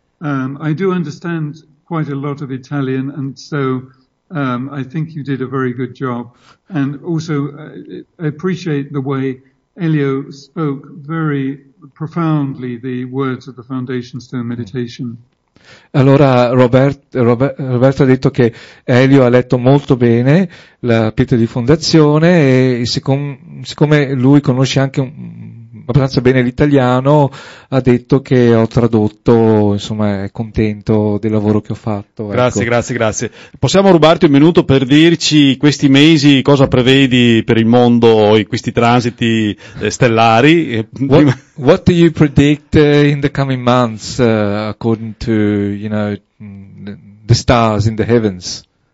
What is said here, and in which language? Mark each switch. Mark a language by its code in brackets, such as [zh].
[en] I do understand quite a lot of Italian, and so I think you did a very good job, and also I appreciate the way Elio spoke very profoundly the words of the Foundation Stone Meditation. [it] Allora Roberto ha detto che Elio ha letto molto bene la pietra di fondazione, e siccome lui conosce anche abbastanza bene l'italiano, ha detto che ho tradotto, insomma, è contento del lavoro che ho fatto. Grazie, ecco. Grazie. Possiamo rubarti un minuto per dirci questi mesi cosa prevedi per il mondo, questi transiti stellari? [en] What do you predict in the coming months according to, you know, the stars in the heavens?